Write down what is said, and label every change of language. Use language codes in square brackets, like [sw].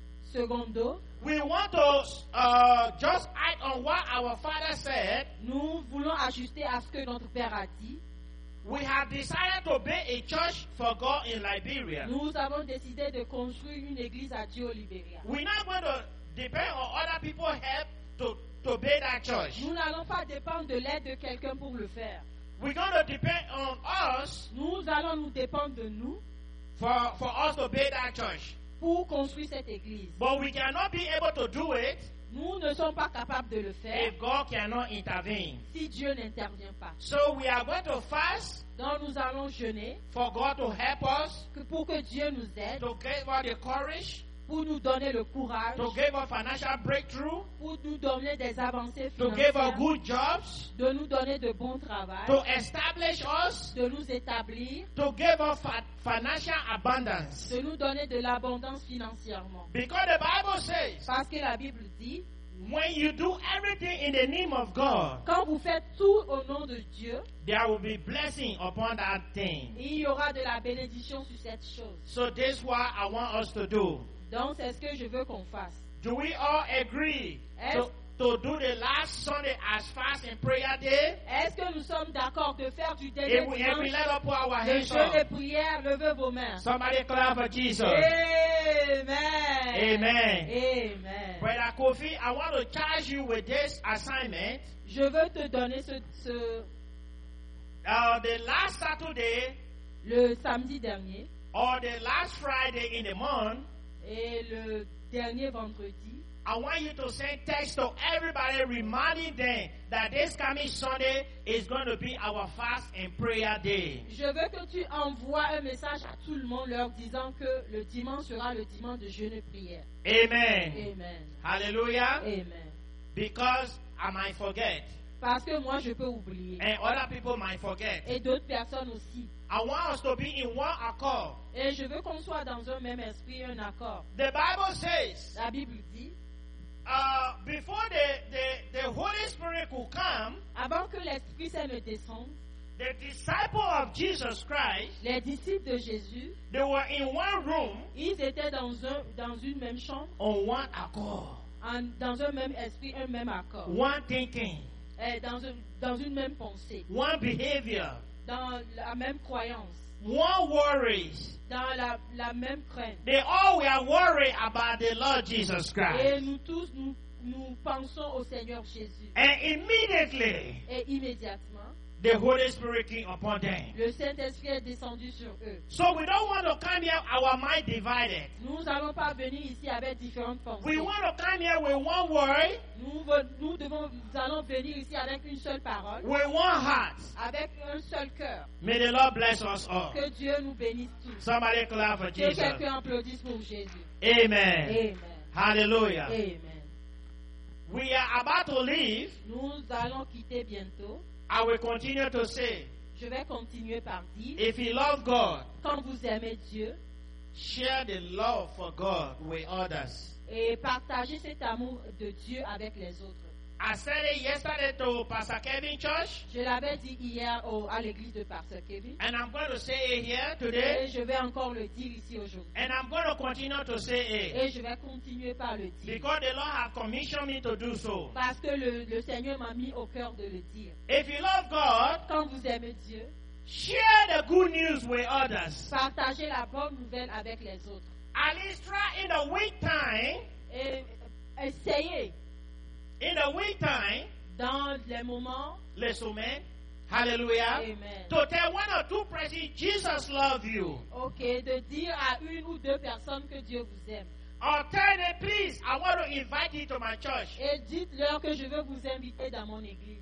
[en] Secondo, we want to just act on what our father said. [fr] Nous voulons ajuster à ce que notre père a dit. [en] We have decided to build a church for God in Liberia. [fr] Nous avons décidé de construire une église à Dieu au Liberia. [en] We're not going to depend on other people's help to build that church. [fr] Nous n'allons pas dépendre de l'aide de quelqu'un pour le faire. [en] We're going to depend on us. [fr] Nous allons nous dépendre de nous. [en] For us to build that church. [fr] Pour construire cette église. [en] But we cannot be able to do it. [fr] Nous ne sommes pas capables de le faire. [en] If God cannot intervene. [fr] Si Dieu n'intervient pas. [en] So we are going to fast. [fr] Donc nous allons jeûner. [en] For God to help us. [fr] Pour que Dieu nous aide. [en] To give us the courage. [fr] Pour nous donner le courage. [en] To give us financial breakthrough. [fr] Pour nous donner des avancées financières. [en] To give us good jobs. [fr] De nous donner de bons travaux. [en] To establish us. [fr] De nous établir. [en] To give us financial abundance. [fr] De nous donner de l'abondance financièrement. [en] Because the Bible says. [fr] Parce que la Bible dit. [en] When you do everything in the name of God, [fr] quand vous faites tout au nom de Dieu, [en] there will be blessing upon that thing. [fr] Il y aura de la bénédiction sur cette chose. [en] So this is what I want us to do. [fr] Donc c'est ce que je veux qu'on fasse. [en] Do we all agree to do the last Sunday as fast in prayer day? [fr] Est-ce que nous sommes d'accord de faire du dernier dimanche le jeu de prière? Levez vos mains. [en] Somebody clap for Jesus. Amen. [fr] Amen. Amen. [en] Brother Kofi, I want to charge you with this assignment. [fr] Je veux te donner ce [en] the last Saturday, [fr] le samedi dernier, [en] or the last Friday in the month, [fr] et le dernier vendredi, [en] I want you to send text to everybody reminding them that this coming Sunday is going to be our fast and prayer day. [fr] Je veux que tu envoies un message à tout le monde leur disant que le dimanche sera le dimanche de jeûne et prière. [en] Amen. [fr] Amen. [en] Hallelujah. [fr] Amen. [en] Because I might forget. [fr] Parce que moi je peux oublier. [en] And other people might forget. [fr] Et d'autres personnes aussi. [en] I want us to be in one accord. [fr] Et je veux qu'on soit dans un même esprit, un accord. [en] The Bible says. [fr] La Bible dit. [en] Before the Holy Spirit could come, [fr] avant que l'Esprit Saint ne descende, [en] the disciples of Jesus Christ, [fr] les disciples de Jésus, [en] they were in one room, [fr] ils étaient dans une même chambre, [en] on one accord, [fr] en, dans un même esprit, un même accord, [en] one thinking, [fr] dans une même pensée, [en] one behavior, [fr] dans la même croyance, [en] one worries. [fr] Dans la même crainte. [en] They all were worried about the Lord Jesus Christ. [fr] Et nous tous, nous pensons au Seigneur Jésus. [en] And immediately, [fr] et immédiatement, [en] the Holy Spirit came upon them. [fr] Le Saint-Esprit est descendu sur eux. [en] So we don't want to come here our mind divided. [fr] Nous n'allons pas venir ici avec différentes pensées. [en] We want to come here with one word. [fr] Nous allons venir ici avec une seule parole. [en] With one heart. [fr] Avec un seul cœur. [en] May the Lord bless us all. [fr] Que Dieu nous bénisse tous. [en] Somebody clap for Jesus. [fr] Que quelqu'un applaudisse pour Jésus. [en] Amen. [fr] Amen. [en] Hallelujah. [fr] Amen. [en] We are about to leave. [fr] Nous allons quitter bientôt. [en] I will continue to say, [fr] je vais continuer par dire, [en] if you love God, [fr] quand vous aimez Dieu, [en] share the love for God with others. [fr] Et partagez cet amour de Dieu avec les autres. [en] I said it yesterday to Pastor Kevin Church. [fr] Je l'avais dit hier à l'église de Pastor Kevin. [en] And I'm going to say it here today. [fr] Et je vais encore le dire ici aujourd'hui. [en] And I'm going to continue to say it. [fr] Et je vais continuer par le dire. [en] Because the Lord has commissioned me to do so. [fr] Parce que le Seigneur m'a mis au cœur de le dire. [en] If you love God, [fr] quand vous aimez Dieu, [en] share the good news with others. [fr] Partagez la bonne nouvelle avec les autres. [en] At least try in a week time. [fr] Et essayez. [en] In the week time, [fr] dans les moments, les semaines, hallelujah, amen. [en] To tell one or two persons, Jesus loves you. [fr] Okay, de dire à une ou deux personnes que Dieu vous aime. [en] Or tell them, please, I want to invite you to my church. [fr] Et dites-leur que je veux vous inviter dans mon église.